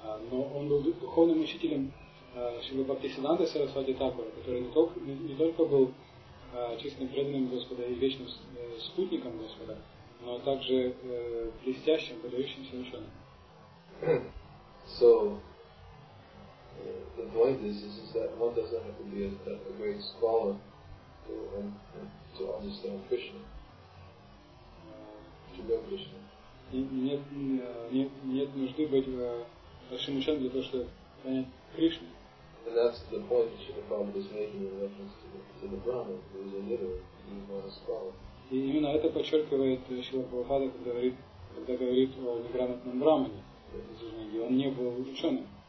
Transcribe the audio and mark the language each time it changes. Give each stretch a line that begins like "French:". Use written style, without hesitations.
Russian: Но он был духовным учителем Шрилы Бхактисиддханты Сарасвати Тхакура, который не только был чистым преданным Господа и вечным спутником Господа, но также блестящим, выдающимся ученым.
English: So the point is that one doesn't have to be a great scholar to understand Krishna. To know Krishna.
Russian: Нет нужды быть большим ученым для того, чтобы понять Кришну.
English: And that's the point that Shri Prabhupada is making in reference to the Brahma, who is a literate, not a scholar.
Russian: И именно это подчеркивает Шрила Прабхупада, когда говорит о неграмотном брамане. Он не был ученым.